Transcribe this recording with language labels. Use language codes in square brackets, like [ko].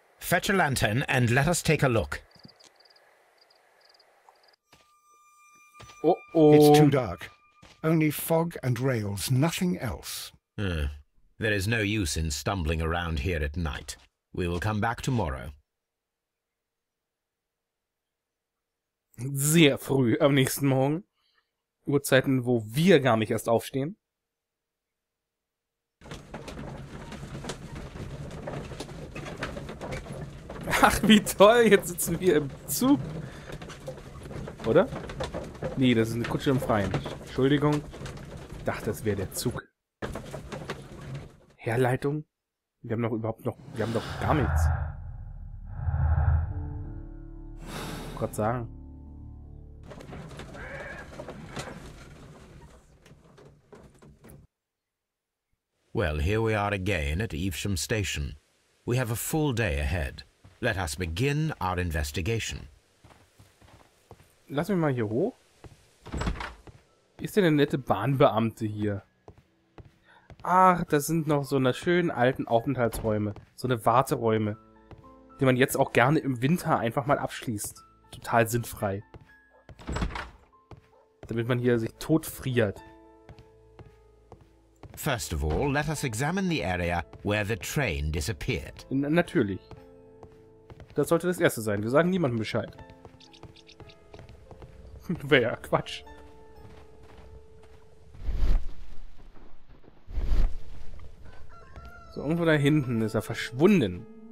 [en] Fetch a lantern and let us take a look. Oh. It's too dark. Only fog and rails, nothing else. There is no use in stumbling around here at night. We will come back tomorrow. [de] Sehr früh am nächsten Morgen. Uhrzeiten, wo wir gar nicht erst aufstehen. Ach, wie toll, jetzt sitzen wir im Zug. Oder? Nee, das ist eine Kutsche im Freien. Entschuldigung. Ich dachte, das wäre der Zug. Herleitung? Wir haben doch gar nichts. Gott sagen. [en] Well, here we are again at Evesham Station. We have a full day ahead. Let us begin our investigation. [de] Lass mich mal hier hoch. Ist denn der nette Bahnbeamte hier? Ach, das sind noch so eine schönen alten Aufenthaltsräume. So eine Warteräume. Die man jetzt auch gerne im Winter einfach mal abschließt. Total sinnfrei. Damit man hier sich totfriert. [en] First of all, let us examine the area where the train disappeared. [de] Natürlich. Das sollte das Erste sein. Wir sagen niemandem Bescheid. Wäre ja Quatsch. So, irgendwo da hinten ist er verschwunden.